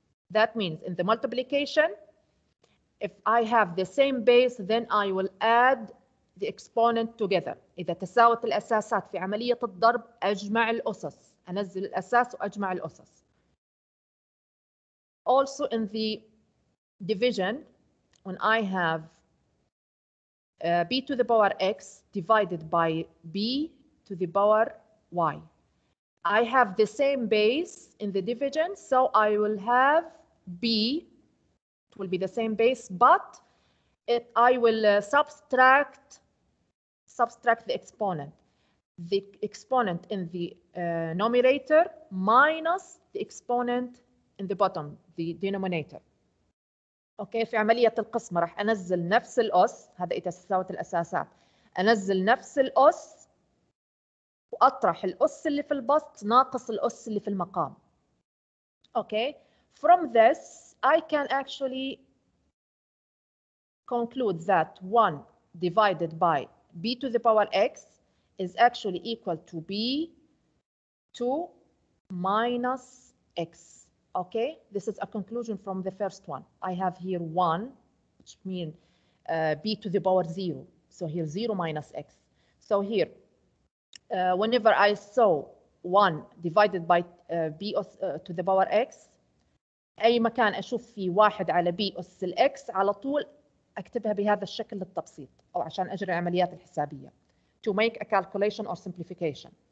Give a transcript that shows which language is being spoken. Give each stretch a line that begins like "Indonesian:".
English: That means in the multiplication, if I have the same base, then I will add the exponent together.
Arabic: إذا تساوت الأساسات في عملية الضرب أجمع الأسس. أنزل الأساس وأجمع الأسس.
English: Also in the division, when I have b to the power x divided by b to the power y, I have the same base in the division, so I will have b. It will be the same base, but I will subtract the exponent. The exponent in the numerator minus the exponent in the bottom, the denominator.
Arabic: Okay, في عملية القسمة راح أنزل نفس الأس، هذا إذا تساوت الأساسات. أنزل نفس الأس وأطرح الأس اللي في البسط ناقص الأس اللي في المقام.
English: Okay, from this I can actually conclude that 1 divided by b to the power x is actually equal to b to minus x. Okay, this is a conclusion from the first one. I have here 1, which means b to the power 0. So here 0 minus x. So here, whenever I saw 1 divided by b to the power x,
Arabic: أي مكان أشوف فيه واحد على بي أس الإكس على طول أكتبها بهذا الشكل للتبسيط أو عشان أجري العمليات الحسابية
English: to make a calculation or simplification.